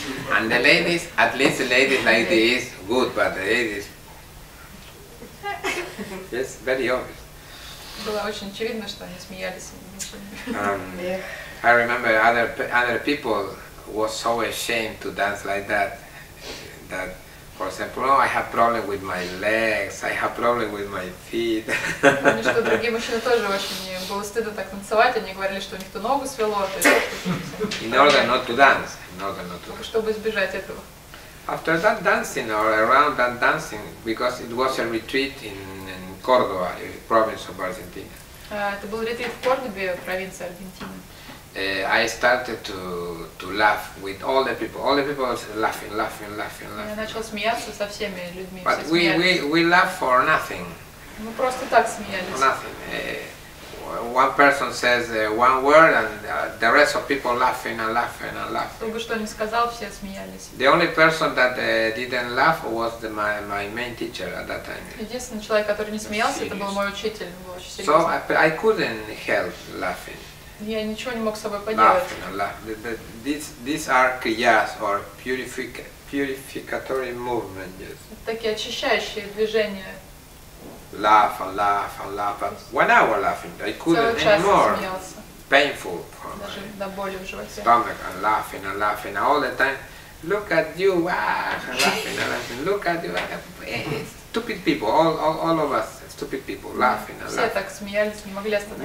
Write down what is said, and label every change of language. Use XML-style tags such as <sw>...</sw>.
<en>And the ladies, at least the ladies like this, good, but the ladies, yes, very obvious.</en> <ru>Было очень очевидно, что они смеялись над мужчинами.</ru> <en>I remember other people. Was so ashamed to dance like that. That, for example, oh, I have problem with my legs. I have problem with my feet.</en> <ru>Другие мужчины тоже очень было стыдно так танцевать. Они говорили, что у них то ногу свело, то.</ru> <en>In order not to dance. In order not to.</en> <ru>Чтобы избежать этого.</ru> <en>After that dancing or around that dancing, because it was a retreat in Córdoba, province of Argentina.</en> <ru>Это был ретрит в Кордобе, провинции Аргентины.</ru> <en>I started to laugh with all the people. All the people was laughing.</en> <ru>Я начал смеяться со всеми людьми.</ru> <en>But we laugh for nothing.</en> <ru>Мы просто так смеялись.</ru> <en>Nothing. One person says one word and the rest of people laughing.</en> <ru>Только что не сказал, все смеялись.</ru> <en>The only person that didn't laugh was my main teacher at that time.</en> <ru>Единственный человек, который не смеялся, это был мой учитель.</ru> <en>So I couldn't help laughing.</en> <ru>Я ничего не мог с собой поделать.</ru> <en>These are kriyas or purificatory movements.</en> <ru>Такие очищающие движения.</ru> <en>laugh and laugh and laugh, but 1 hour laughing, I couldn't anymore. Painful for me. Stomach and laughing and laughing all the time. Look at you, ah, laughing and laughing. Look at you, stupid people, all of us, stupid people, laughing and laughing.</en>